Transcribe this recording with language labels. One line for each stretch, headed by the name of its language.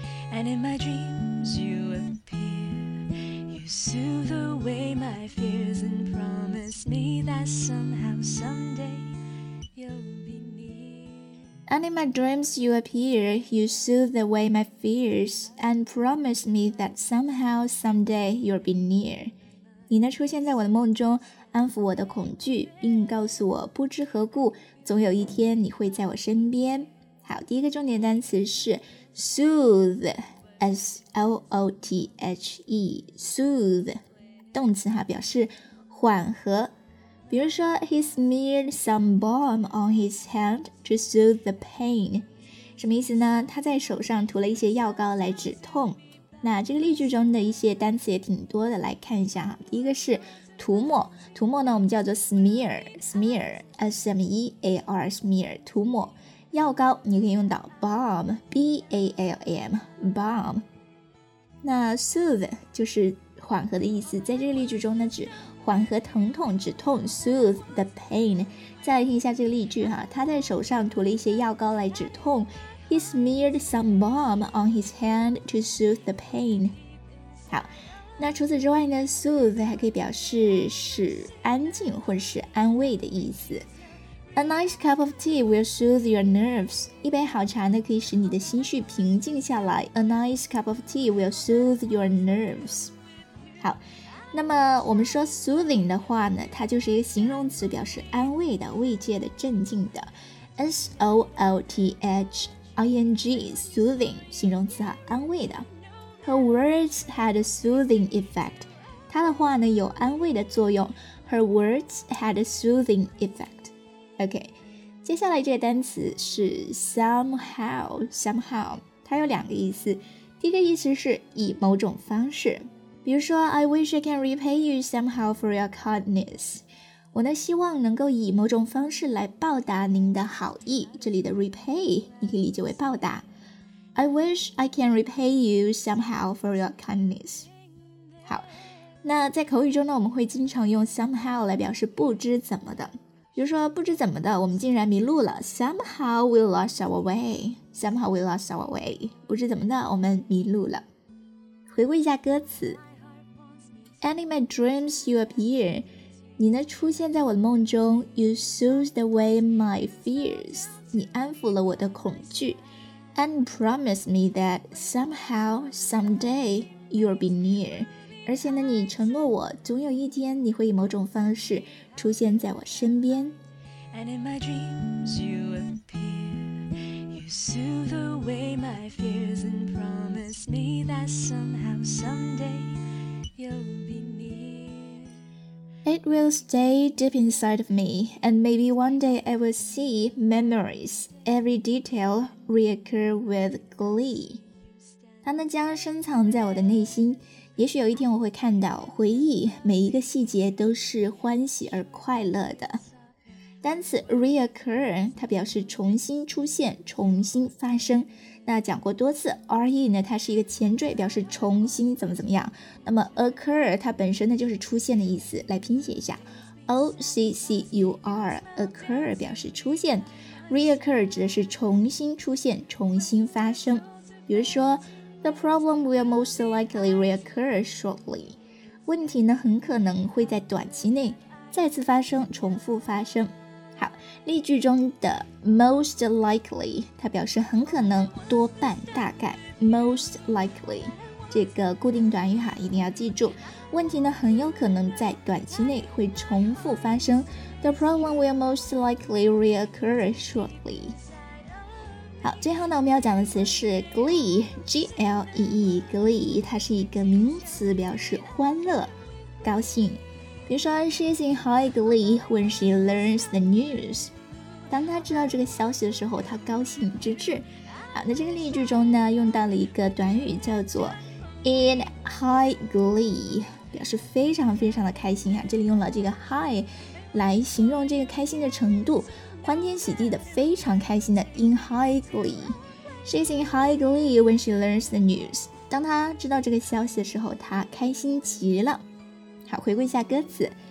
English: And in my dreams you appear, you soothe away my fears and promise me that somehow someday you'll be near. And in my dreams you appear, you soothe away my fears and promise me that somehow someday you'll be near.
Chinese: 你呢出现在我的梦中，安抚我的恐惧，并告诉我不知何故，总有一天你会在我身边。好，第一个重点单词是 soothe， S-O-O-T-H-E， soothe， 动词哈，表示缓和。
English: 比如说 he smeared some balm on his hand to soothe the pain， 什么意思呢？
Chinese: 他在手上涂了一些药膏来止痛。那这个例句中的一些单词也挺多的，来看一下哈。第一个是涂抹，涂抹呢我们叫做 smear， smear， S-M-E-A-R， smear， 涂抹。药膏你可以用到 balm， B-A-L-M， balm。那 soothe 就是缓和的意思，在这个例句中呢指缓和疼痛止痛， soothe the pain。再来听一下这个例句哈，他在手上涂了一些药膏来止痛。
English: He smeared some balm on his hand to soothe the pain。
Chinese: 好，那除此之外呢， soothe 还可以表示使安静或者是安慰的意思。
English: A nice cup of tea will soothe your nerves.
Chinese: 一杯好茶呢可以使你的心绪平静下来。
English: A nice cup of tea will soothe your nerves.
Chinese: 好，那么我们说 soothing 的话呢，它就是一个形容词，表示安慰的、慰藉的、镇静的。 S-O-O-T-H-I-N-G, soothing, 形容词啊，安慰的。
English: Her words had a soothing effect.
Chinese: 她的话呢有安慰的作用。
English: Her words had a soothing effect.
Chinese: OK， 接下来这个单词是 somehow， somehow， 它有两个意思。第一个意思是以某种方式，比如说
English: I wish I can repay you somehow for your kindness，
Chinese: 我呢希望能够以某种方式来报答您的好意。这里的 repay 你可以理解为报答。
English: I wish I can repay you somehow for your kindness。
Chinese: 好，那在口语中呢，我们会经常用 somehow 来表示不知怎么的。比如说不知怎么的我们竟然迷路了，
English: Somehow we lost our way，
Chinese: Somehow we lost our way， 不知怎么的我们迷路了。回顾一下歌词
English: Any my dreams you appear
Chinese: 你呢出现在我的梦中
English: You soothed away my fears
Chinese: 你安抚了我的恐惧
English: And promise me that somehow, someday you'll be near
Chinese: 而且呢你承诺我总有一天你会以某种方式出现在我身边
English: And in my dreams you appear You soothe away my fears And promise me that somehow, someday you'll be near It will stay deep inside of me And maybe one day I will see memories Every detail reoccur with glee
Chinese: 它呢将深藏在我的内心，也许有一天我会看到回忆，每一个细节都是欢喜而快乐的。单词 reoccur 它表示重新出现、重新发生。那讲过多次 ，re 呢它是一个前缀，表示重新怎么怎么样。那么 occur 它本身呢就是出现的意思，来拼写一下 ，occur occur 表示出现 ，reoccur 指的是重新出现、重新发生。比如说。
English: The problem will most likely reoccur shortly.
Chinese: 问题呢很可能会在短期内再次发生，重复发生。好，例句中的 most likely 它表示很可能，多半，大概 most likely 这个固定短语哈，一定要记住。问题呢很有可能在短期内会重复发生。
English: The problem will most likely reoccur shortly.
Chinese: 好，最后呢我们要讲的词是 glee, G-L-E-E, glee, 它是一个名词表示欢乐、高兴。
English: 比如说 she's in high glee when she learns the news.
Chinese: 当她知道这个消息的时候她高兴之至。好，那这个例句中呢用到了一个短语叫做 in high glee, 表示非常非常的开心啊，这里用了这个 high 来形容这个开心的程度。欢天喜地的非常开心的 in high glee
English: She's in high glee when she learns the news
Chinese: 当她知道这个消息的时候她开心极了好回顾一下歌词